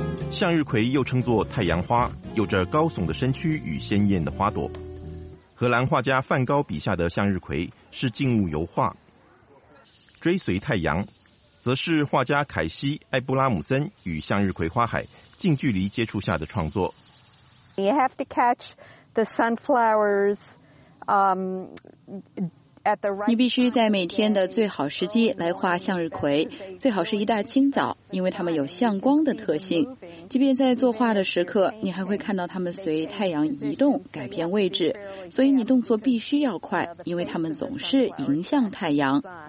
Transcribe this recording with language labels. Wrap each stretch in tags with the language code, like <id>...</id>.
<zh>向日葵又称作太阳花，有着高耸的身躯与鲜艳的花朵。荷兰画家梵高笔下的向日葵是静物油画，追随太阳则是画家凯西·艾布拉姆森与向日葵花海近距离接触下的创作。</zh> <en>You have to catch the sunflowers, at the right.</en> <zh>你必须在每天的最好时机来画向日葵，最好是一大清早，因为它们有向光的特性。即便在作画的时刻，你还会看到它们随太阳移动改变位置，所以你动作必须要快，因为它们总是迎向太阳。</zh>